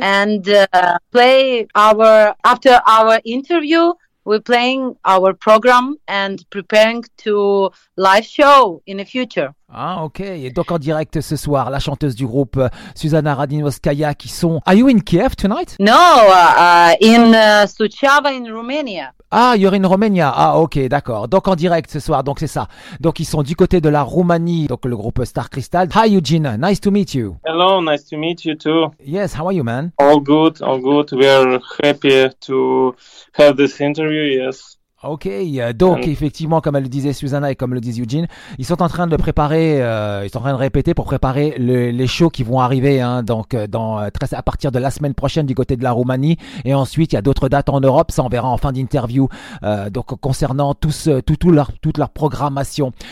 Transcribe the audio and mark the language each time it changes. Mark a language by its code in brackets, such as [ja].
[en] And play our, after our interview, we're playing our program and preparing to live show in the future. Ah, ok. [fr] Et donc en direct ce soir, la chanteuse du groupe Susanna Radinovskaya qui sont... [en] Are you in Kiev tonight? No, in Suceava in Romania. Ah, you're in Romania. [fr] Ah, ok, d'accord. Donc en direct ce soir, donc c'est ça. Donc ils sont du côté de la Roumanie, donc le groupe Star Crystal. [en] Hi Eugene, nice to meet you. Hello, nice to meet you too. Yes, how are you, man? All good, we are happy to have this interview, yes. [fr] Ok, donc effectivement, comme elle le disait Susanna et comme le disait Eugene, ils sont en train de préparer, ils sont en train de répéter pour préparer les shows qui vont arriver, hein, donc dans à partir de la semaine prochaine du côté de la Roumanie, et ensuite il y a d'autres dates en Europe, ça on verra en fin d'interview, donc concernant toute leur programmation.